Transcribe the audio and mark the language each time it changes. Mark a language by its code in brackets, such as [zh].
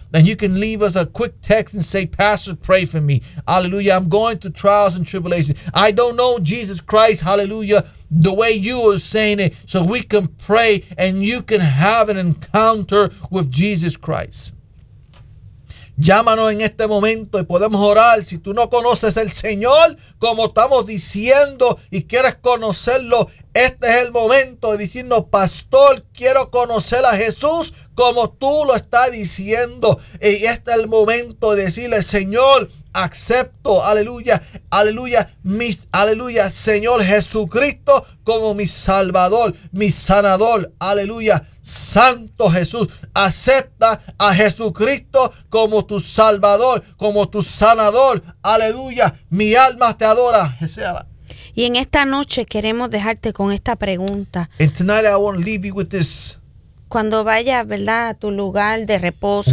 [en] And you can leave us a quick text and say, Pastor, pray for me, hallelujah. I'm going through trials and tribulations. I don't know Jesus Christ, hallelujah, the way you are saying it. So we can pray and you can have an encounter with Jesus Christ. [es] Llámanos en este momento y podemos orar. Si tú no conoces el Señor, como estamos diciendo, y quieres conocerlo, este es el momento de decirnos, Pastor, quiero conocer a Jesús como tú lo estás diciendo. Y este es el momento de decirle, Señor, acepto, aleluya, aleluya, mi, aleluya, Señor Jesucristo como mi Salvador, mi sanador, aleluya. Santo Jesús, acepta a Jesucristo como tu Salvador, como tu sanador. Aleluya, mi alma te adora. Y en esta noche queremos dejarte con esta pregunta. [en] And tonight I want to leave you with this. [es] Cuando vayas, ¿verdad?, a tu lugar de reposo,